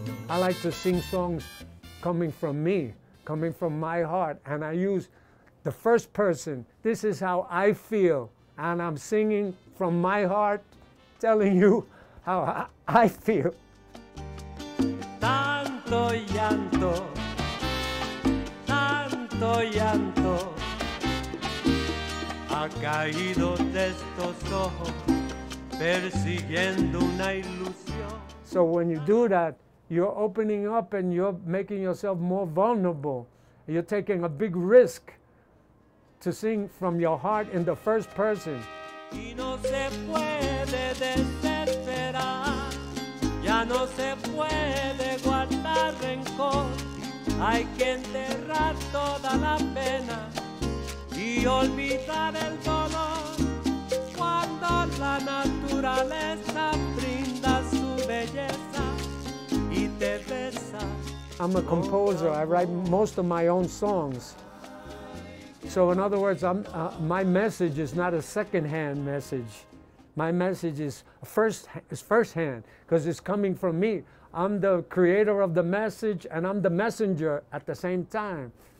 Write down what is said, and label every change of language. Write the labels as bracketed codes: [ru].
[en] I like to sing songs coming from me, coming from my heart, and I use the first person. This is how I feel, and I'm singing from my heart, telling you how I feel. [es] Tanto llanto, tanto llanto, ha caído de estos ojos, persiguiendo una ilusión. [en] So when you do that, you're opening up and you're making yourself more vulnerable. You're taking a big risk to sing from your heart in the first person. [es] Y no se puede desesperar, ya no se puede guardar rencor. Hay que enterrar toda la pena y olvidar el dolor. Cuando la naturaleza brinda su belleza y te besa. [en] I'm a composer. I write most of my own songs. So in other words, my message is not a second-hand message. My message is first-hand, because it's coming from me. I'm the creator of the message, and I'm the messenger at the same time.